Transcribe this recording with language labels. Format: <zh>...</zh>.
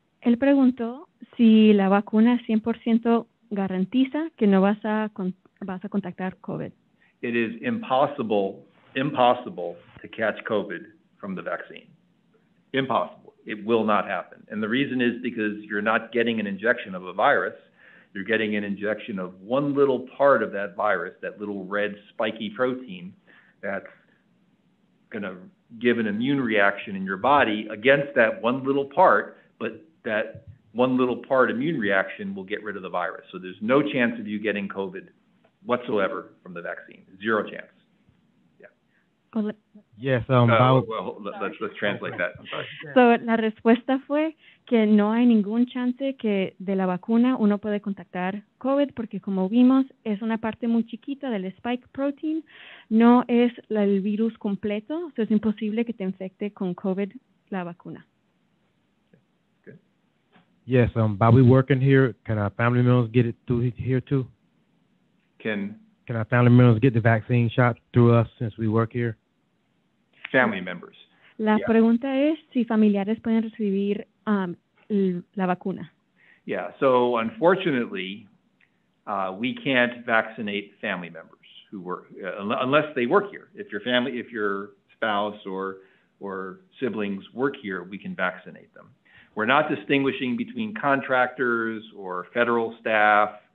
<es>Él preguntó si la vacuna es 100% garantiza que no vas a contactar COVID.</es> <en>It is impossible to catch COVID from the vaccine. Impossible. It will not happen. And the reason is because you're not getting an injection of a virus. You're getting an injection of one little part of that virus, that little red spiky protein that's going to give an immune reaction in your body against that one little part, but that one little part immune reaction will get rid of the virus. So there's no chance of you getting COVID whatsoever from the vaccine. Zero chance. Yeah. Yes. Let's translate that. I'm sorry.</en> <es>So la respuesta fue que no hay ningún chance que de la vacuna uno puede contactar COVID porque como vimos es una parte muy chiquita del spike protein. No es el virus completo. So es imposible que te infecte con COVID la vacuna.</es> <en>Yes, Bobby working here. Can our family members get it through here too? Can our family members get the vaccine shot through us since we work here? Family members. La yeah.</en> <es>pregunta es si familiares pueden recibir la vacuna.</es> <en>Yeah, so unfortunately, we can't vaccinate family members who work, unless they work here. If your spouse or siblings work here, we can vaccinate them. We're not distinguishing between contractors or federal staff.</en>